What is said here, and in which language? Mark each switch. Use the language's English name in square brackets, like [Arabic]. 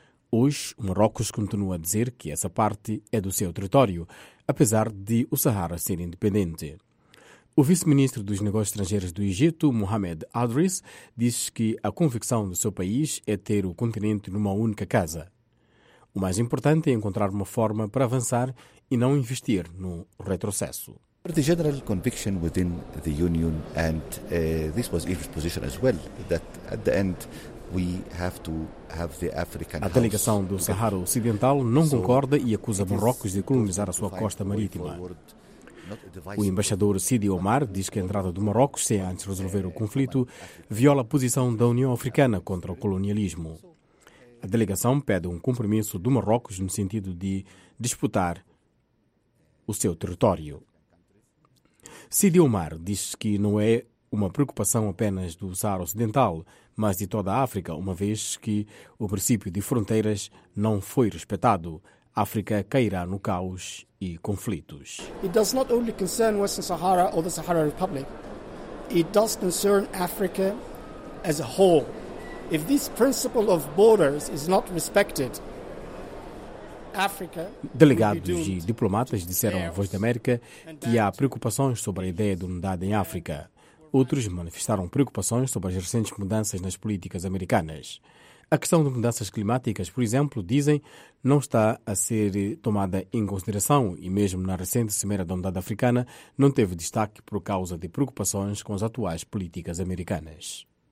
[Portuguese] Hoje, o Marrocos continua a dizer que essa parte é do seu território, apesar de o Sahara ser independente. O vice-ministro dos Negócios Estrangeiros do Egito, Mohamed Adris, diz que a convicção do seu país é ter o continente numa única casa. O mais importante é encontrar uma forma para avançar e não investir no retrocesso. [English] The general conviction within the union, and this was Egypt's position as well, that at the end we have to have the African. [Portuguese] A delegação do Sahara Ocidental não concorda e acusa Marrocos de colonizar a sua costa marítima. O embaixador Sidi Omar diz que a entrada do Marrocos, sem antes resolver o conflito, viola a posição da União Africana contra o colonialismo. A delegação pede um compromisso do Marrocos no sentido de disputar o seu território. Sidi Omar diz que não é uma preocupação apenas do Saara Ocidental, mas de toda a África, uma vez que o princípio de fronteiras não foi respeitado. África cairá no caos e conflitos. [English] It does not only concern Western Sahara or the Sahara Republic. It does concern Africa as a whole. If this principle of borders is not respected, Africa. [Portuguese] Delegados e diplomatas disseram à Voz da América que há preocupações sobre a ideia de unidade em África. Outros manifestaram preocupações sobre as recentes mudanças nas políticas americanas. A questão de mudanças climáticas, por exemplo, dizem, não está a ser tomada em consideração e mesmo na recente Cimeira da Unidade Africana não teve destaque por causa de preocupações com as atuais políticas americanas.